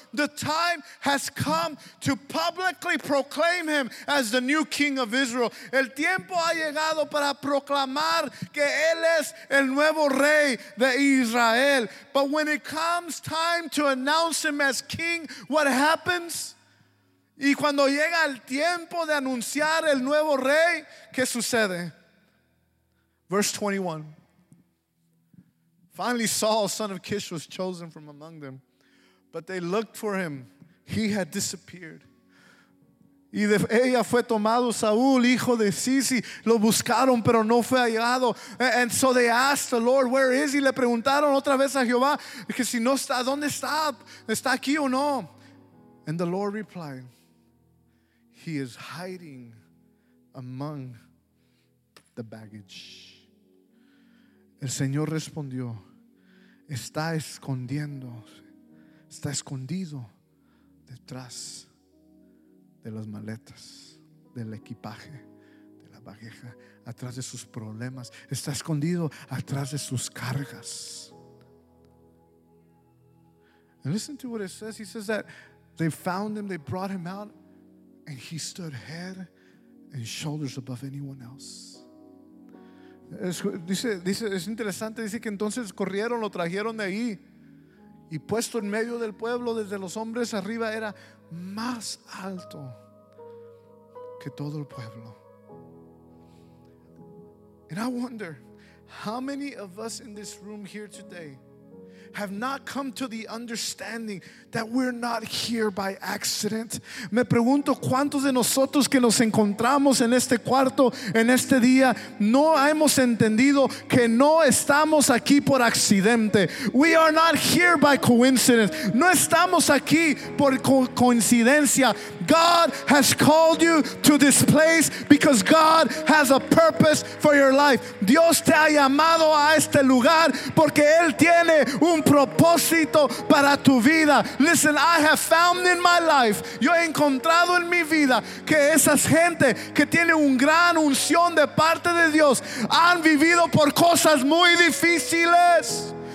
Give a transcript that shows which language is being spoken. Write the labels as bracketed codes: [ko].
[en] The time has come to publicly proclaim him as the new king of Israel. [es] El tiempo ha llegado para proclamar que él es el nuevo rey de Israel. [en] But when it comes time to announce him as king, what happens? [es] Y cuando llega el tiempo de anunciar el nuevo rey, ¿qué sucede? [en] Verse 21, finally Saul, son of Kish, was chosen from among them, but they looked for him. He had disappeared. [es] Y de ella fue tomado Saúl, hijo de Cisi. Lo buscaron, pero no fue hallado. [en] And so they asked the Lord, where is he? [es] Le preguntaron otra vez a Jehová, que si no está, ¿dónde está? ¿Está aquí o no? [en] And the Lord replied, He is hiding among the baggage. [es] El Señor respondió, está escondido detrás de las maletas, del equipaje, de la bagueja, atrás de sus problemas, está escondido atrás de sus cargas. [en] And listen to what it says. He says that they found him, they brought him out, and he stood head and shoulders above anyone else. [es] Dice, es interesante, dice que entonces corrieron, lo trajeron de ahí y puesto en medio del pueblo, desde los hombres arriba era más alto que todo el pueblo. [en] And I wonder how many of us in this room here today have not come to the understanding that we're not here by accident. [es] Me pregunto cuántos de nosotros que nos encontramos en este cuarto, en este día, no hemos entendido que no estamos aquí por accidente. [en] We are not here by coincidence. [es] No estamos aquí por coincidencia. [en] God has called you to this place because God has a purpose for your life. [es] Dios te ha llamado a este lugar porque Él tiene un propósito para tu vida. [en] Listen, I have found in my life, [es] yo he encontrado en mi vida que esas gente que tiene un gran unción de parte de Dios han vivido por cosas muy difíciles.